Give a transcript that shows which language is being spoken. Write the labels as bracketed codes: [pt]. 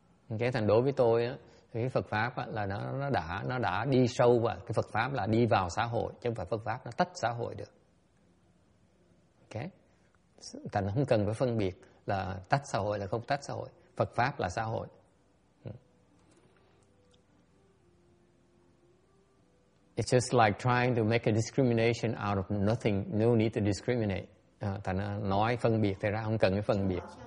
[vi] Okay, thành đối với tôi á, cái Phật pháp á, là nó đã đi sâu vào cái Phật pháp là đi vào xã hội chứ không phải Phật pháp nó tách xã hội được. Okay, thành không cần phải phân biệt là tách xã hội là không tách xã hội, Phật pháp là xã hội. [en] It's just like trying to make a discrimination out of nothing. No need to discriminate. [vi] Thành nói phân biệt thì ra không cần cái phân biệt.